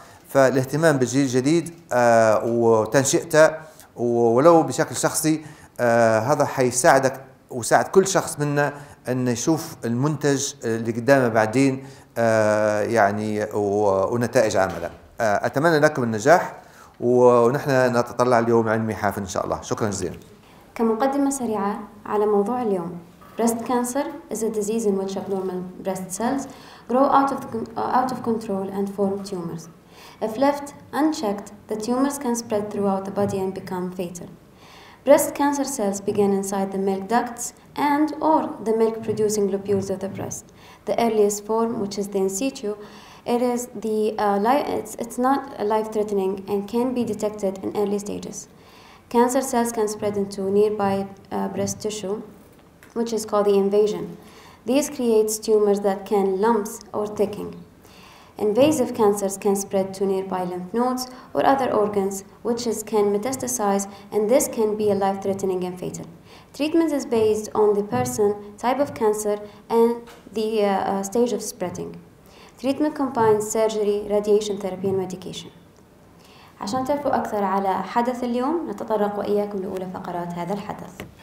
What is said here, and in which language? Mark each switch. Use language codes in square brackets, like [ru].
[ar] فالاهتمام بالجيل الجديد وتنشئته ولو بشكل شخصي هذا حيساعدك وساعد كل شخص منا ان يشوف المنتج اللي قدامه بعدين يعني ونتائج عمله. أتمنى لكم النجاح، ونحن نتطلع اليوم علمي حاف إن شاء الله. شكرا جزيلا. كمقدمة سريعة على موضوع اليوم، [en] breast cancer is a disease in which abnormal breast cells grow out of control and form tumors. If left unchecked, the tumors can spread throughout the body and become fatal. Breast cancer cells begin inside the milk ducts and or the milk producing lobules of the breast. The earliest form, which is the in situ, it's not life threatening and can be detected in early stages. Cancer cells can spread into nearby breast tissue, which is called the invasion. These create tumors that can lumps or thickening. Invasive cancers can spread to nearby lymph nodes or other organs, which can metastasize, and this can be a life-threatening and fatal. Treatment is based on the person, type of cancer, and the stage of spreading. Treatment combines surgery, radiation therapy, and medication. [ar] عشان تعرفوا أكثر على حدث اليوم، نتطرق وإياكم لأولى فقرات هذا الحدث.